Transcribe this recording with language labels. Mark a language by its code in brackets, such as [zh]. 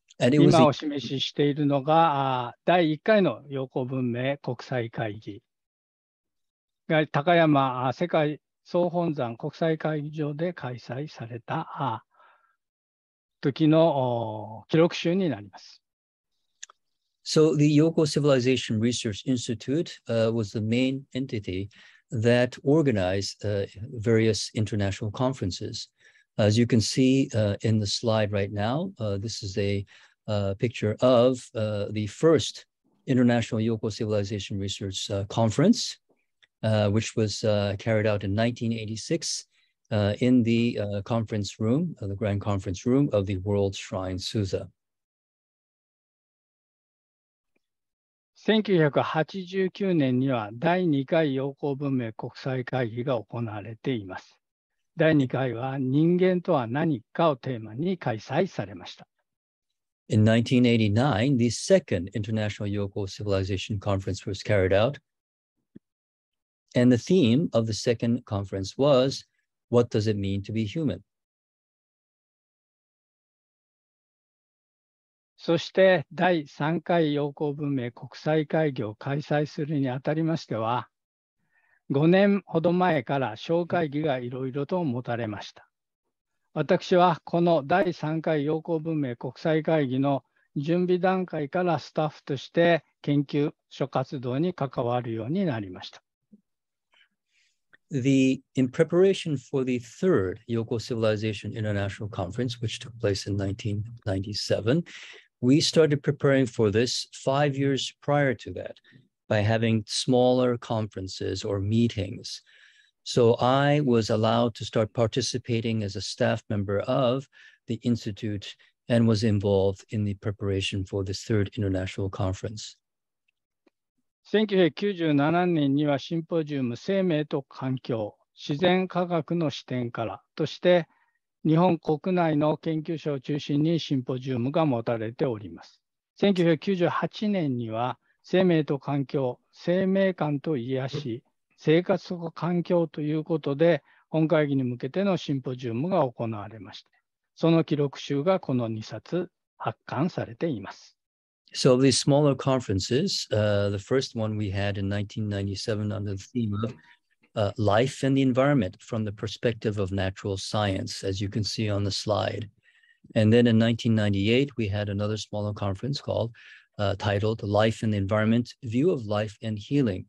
[ja] 今お示ししているのが第1回の陽光文明国際会議。高山世界総本山国際会議場で開催された時の記録集になります。 [en] So the Yoko Civilization Research Institute, was the main entity. That organized various international conferences. As you can see in the slide right now, this is a picture of the first International Yoko Civilization Research Conference, which was carried out in 1986 in the conference room, the Grand Conference Room of the World Shrine Suza. [ja] 1989年には第2回陽光文明国際会議が行われています。第2回は人間とは何かをテーマに開催されました。 [en] In 1989, the second International Yoko Civilization Conference was carried out. And the theme of the second conference was, What does it mean to be human? [ja] そして第3回陽光文明国際会議を開催するにあたりましては、5年ほど前から小会議がいろいろと持たれました。私はこの第3回陽光文明国際会議の準備段階からスタッフとして研究所活動に関わるようになりました。 [en] In preparation for the third Yoko Civilization International Conference, which took place in 1997, we started preparing for this 5 years prior to that by having smaller conferences or meetings. So I was allowed to start participating as a staff member of the Institute and was involved in the preparation for this third international conference. [ja] 1997年にはシンポジウム生命と環境、自然科学の視点からとして日本国内の研究所を中心にシンポジウムが持たれております。 1998年には生命と環境、生命感と癒し、生活と環境ということで本会議に向けてのシンポジウムが行われました。その記録集がこの2冊発刊されています。 [en] So these smaller conferences, the first one we had in 1997 under the theme of life and the environment from the perspective of natural science, as you can see on the slide. And then in 1998, we had another smaller conference called titled Life and the Environment, View of Life and Healing.